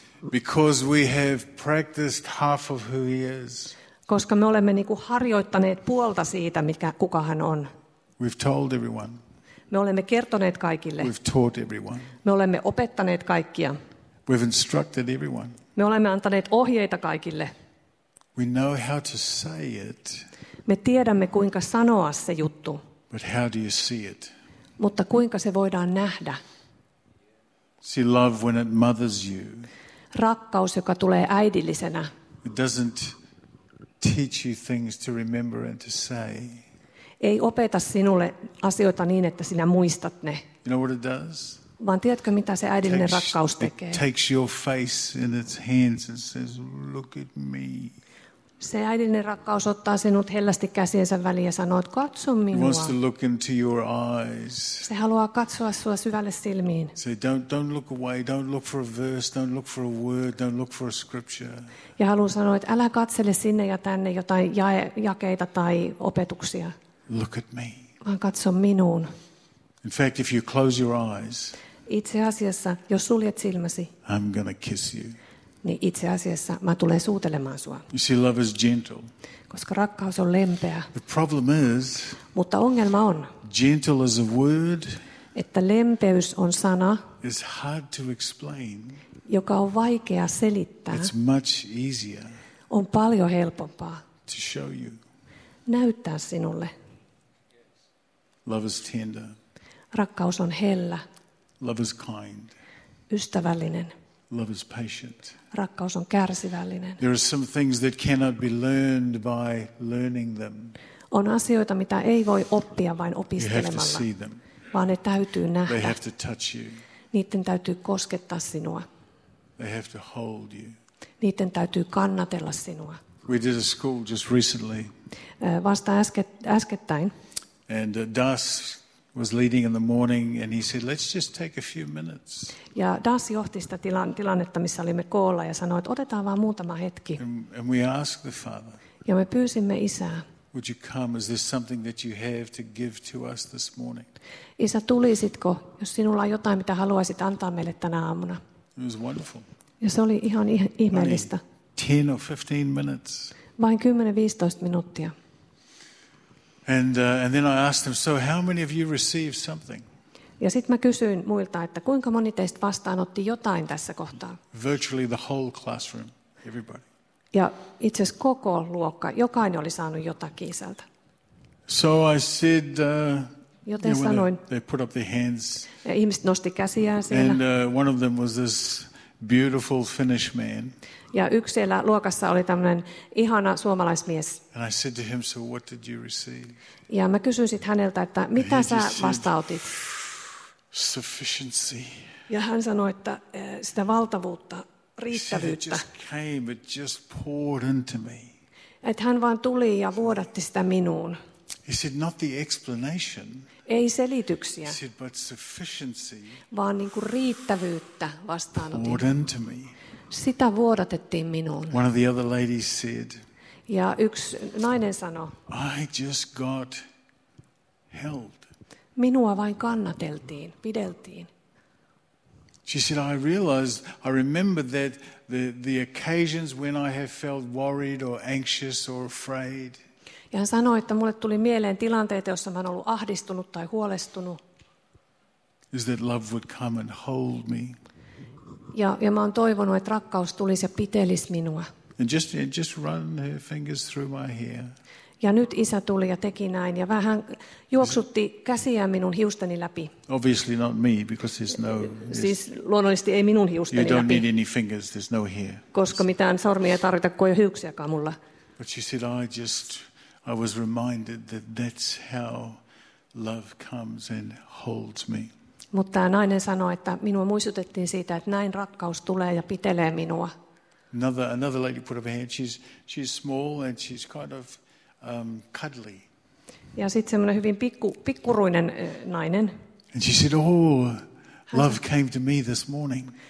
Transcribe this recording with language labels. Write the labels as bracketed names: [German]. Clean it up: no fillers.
[English] Because we have practiced half of who he is. [Finnish] Koska me olemme niinku harjoittaneet puolta siitä, mikä kuka hän on. [English] We've told everyone. [Finnish] Me olemme kertoneet kaikille. [English] We've taught everyone. [Finnish] Me olemme opettaneet kaikkia. [English] We've instructed everyone. [Finnish] Me olemme antaneet ohjeita kaikille. [English] We know how to say it. [Finnish] Me tiedämme kuinka sanoa se juttu. [English] But how do you see it? [Finnish] Mutta kuinka se voidaan nähdä? [English] See love when it mothers you. [Finnish] Rakkaus, joka tulee äidillisenä. [English] It doesn't teach you things to remember and to say. [Finnish] Ei opeta sinulle asioita niin, että sinä muistat ne. [English] You know what it does? [Finnish] Vaan tiedätkö, mitä se äidillinen rakkaus tekee? [English] It takes your face in its hands and says, look at me. [Finnish] Se äidillinen rakkaus ottaa sinut hellästi käsiensä väliin ja sanoo, että katso minua. [English] It wants to look into your eyes. [Finnish] Se haluaa katsoa sinua syvälle silmiin. [English] Say, don't look away, don't look for a verse, don't look for a word, don't look for a scripture. [Finnish] Ja haluaa sanoa, että älä katsele sinne ja tänne jotain jakeita tai opetuksia. [English] Look at me. [Finnish] Vaan katso minuun. [English] In fact, if you close your eyes, [Finnish] itse asiassa, jos suljet silmäsi, [English] I'm gonna kiss you. [Finnish] Niin itse asiassa mä tulen suutelemaan sua. [English] You see, love is gentle. [Finnish] Koska rakkaus on lempeä. [English] The problem is, [Finnish] mutta ongelma on, [English] gentle is a word, [Finnish] että lempeys on sana, [English] is hard to explain, [Finnish] joka on vaikea selittää. [English] It's much easier, [Finnish] on paljon helpompaa, [English] to show you. [Finnish] Näyttää sinulle. [English] Love is tender. [Finnish] Rakkaus on hellä. [English] Love is kind. [Finnish] Ystävällinen. [English] Love is patient. [Finnish] Rakkaus on kärsivällinen. [English] There are some things that cannot be learned by learning them. [Finnish] On asioita, mitä ei voi oppia vain opiskelemalla. [English] You have to see them. [Finnish] Vaan ne täytyy nähdä. [English] They have to touch you. [Finnish] Niiden täytyy koskettaa sinua. [English] They have to hold you. [Finnish] Niiden täytyy kannatella sinua. [English] We did a school just recently. [Finnish] Vasta äskettäin. [English] And Das was leading in the morning and he said, let's just take a few minutes. [Finnish] Ja Das johti sitä tilannetta, missä olimme koolla ja sanoi, että otetaan vaan muutama hetki. [English] And we asked the Father. [Finnish] Ja me pyysimme Isää. [English] Would you come? Is there something that you have to give to us this morning? [Finnish] Isä, tulisitko, jos sinulla on jotain, mitä haluaisit antaa meille tänä aamuna? [English] It was wonderful. [Finnish] Ja se oli ihan ihmeellistä. [English] 10 or 15 minutes. [Finnish] Vain 10-15 minuuttia. [English] And then I asked them, so how many of you received something? [Finnish] Ja sit mä kysyin muilta, että kuinka moni teistä vastaanotti jotain tässä kohtaa? [English] Virtually the whole classroom, everybody. [Finnish] Ja itse asiassa koko luokka, jokainen oli saanut jotakin isältä. [English] So I said, [Finnish] joten sanoin, [English] they put up their hands. [Finnish] Ja ihmiset nosti käsiään siellä. [English] And one of them was this beautiful Finnish man. [Finnish] Ja yksi siellä luokassa oli tämmöinen ihana suomalaismies. [English] And I said to him, so what did you receive? [Finnish] Ja mä kysyin sitten häneltä, että mitä sä vastautit? [English] Sufficiency. [Finnish] Ja hän sanoi, että sitä valtavuutta, riittävyyttä. [English] It just poured into me. [Finnish] Että hän vaan tuli ja vuodatti sitä minuun. [English] He said, not the explanation. [Finnish] Ei selityksiä. [English] He said, but sufficiency. [Finnish] Vaan niin kuin riittävyyttä vastaanotin. [English] Poured into me. [Finnish] Sitä vuodatettiin minuun. [English] One of the other ladies said, [Finnish] ja yksi nainen sanoi, [English] I just got held. [Finnish] Minua vain kannateltiin, pideltiin. [English] She said, I realized, I remember that the occasions when I have felt worried or anxious or afraid. [Finnish] Ja hän sanoi, että mulle tuli mieleen tilanteita, joissa mä olen ollut ahdistunut tai huolestunut. [English] Is that love would come and hold me. [Finnish] Ja mä oon toivonut, että rakkaus tulisi ja pitelisi minua. [English] And just run her fingers through my hair. [Finnish] Ja nyt Isä tuli ja teki näin ja vähän juoksutti käsiään minun hiustani läpi. [English] Obviously not me, because there's no. [Finnish] Siis luonnollisesti ei minun hiustani läpi. [English] You don't need any fingers, there's no hair. [Finnish] Koska mitään sormia ei tarvita, kun ei ole hiuksiakaan mulla. [English] But she said, I was reminded that that's how love comes and holds me. [Finnish] Mutta nainen sanoi, että minua muistutettiin siitä, että näin rakkaus tulee ja pitelee minua. [English] Another lady put up her hand. She's small and she's kind of cuddly. [Finnish] Ja sitten semmoinen hyvin pikkuruinen nainen. [English] And she said, "Oh, love came to me this morning."